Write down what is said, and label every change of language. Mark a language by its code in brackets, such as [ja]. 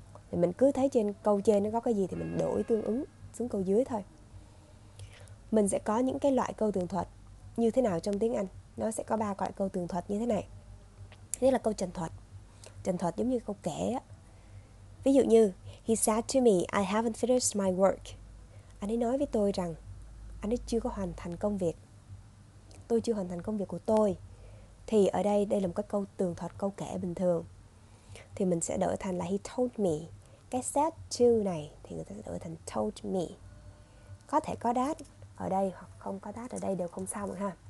[vi] Thì mình cứ thấy trên câu trên nó có cái gì thì mình đổi tương ứng xuống câu dưới thôi. Mình sẽ có những cái loại câu tường thuật như thế nào trong tiếng Anh? Nó sẽ có 3 loại câu tường thuật như thế này. Thứ là câu trần thuật. Trần thuật giống như câu kể á. Ví dụ như [en] he said to me, I haven't finished my work. [vi] Anh ấy nói với tôi rằng anh ấy chưa có hoàn thành công việc. Tôi chưa hoàn thành công việc của tôi. Thì ở đây, đây là một cái câu tường thuật, câu kể bình thường. Thì mình sẽ đổi thành là [en] he told me. [vi] Cái said to này thì người ta sẽ đổi thành [en] told me. [vi] Có thể có that ở đây hoặc không có that ở đây đều không sao mà ha.